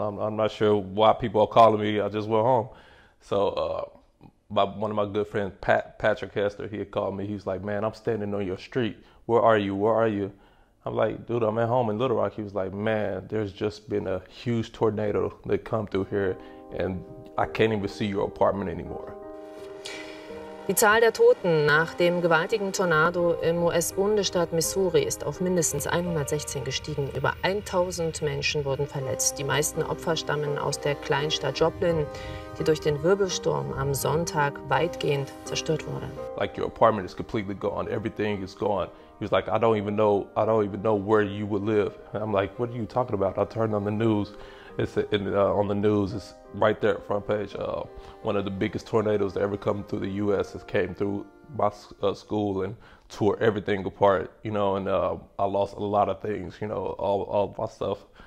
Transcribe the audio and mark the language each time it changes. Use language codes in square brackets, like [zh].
[en] I'm not sure why people are calling me. I just went home. So one of my good friends, Patrick Hester, he had called me. He's like, man, I'm standing on your street. Where are you? Where are you? I'm like, dude, I'm at home in Little Rock. He was like, man, there's just been a huge tornado that come through here, and I can't even see your apartment anymore. [de] Die Zahl der Toten nach dem gewaltigen Tornado im US-Bundesstaat Missouri ist auf mindestens 116 gestiegen. Über 1000 Menschen wurden verletzt. Die meisten Opfer stammen aus der Kleinstadt Joplin, die durch den Wirbelsturm am Sonntag weitgehend zerstört wurde. [en] Like your apartment is completely gone. Everything is gone. He was like, I don't even know where you would live. And I'm like, what are you talking about? I turned on the news. On the news, it's right there at front page. One of the biggest tornadoes that ever come through the U.S. has came through my school and tore everything apart, you know, and I lost a lot of things, you know, all my stuff.